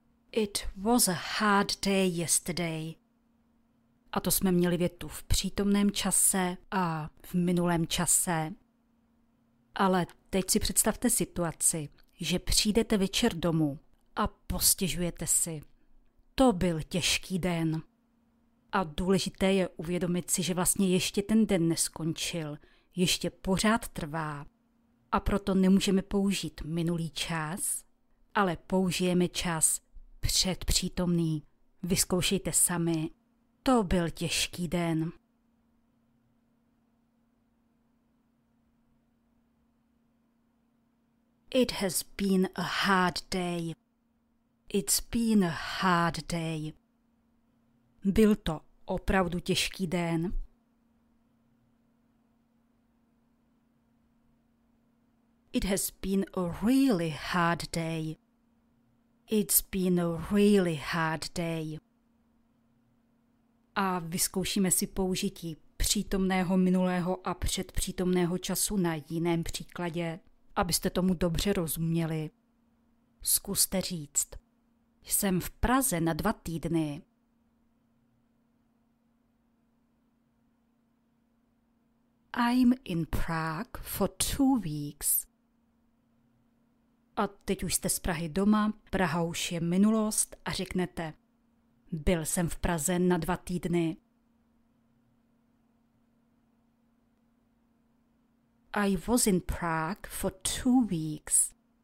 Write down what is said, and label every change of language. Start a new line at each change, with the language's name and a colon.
English: It was a hard day yesterday.
Czech: A to jsme měli větu v přítomném čase a v minulém čase. Ale teď si představte situaci, že přijdete večer domů a postěžujete si. To byl těžký den. A důležité je uvědomit si, že vlastně ještě ten den neskončil, ještě pořád trvá. A proto nemůžeme použít minulý čas, ale použijeme čas předpřítomný. Vyzkoušejte sami. To byl těžký den.
English: It has been a hard day. It's been a hard day.
Czech: Byl to opravdu těžký den.
English: It has been a really hard day. It's been a really hard day.
Czech: A vyzkoušíme si použití přítomného minulého a předpřítomného času na jiném příkladě, abyste tomu dobře rozuměli. Zkuste říct. Jsem v Praze na 2 týdny.
English: I'm in Prague for 2 weeks.
Czech: A teď už jste z Prahy doma, Praha už je minulost a řeknete. Byl jsem v Praze na 2 týdny.
English: I was in Prague for 2 weeks.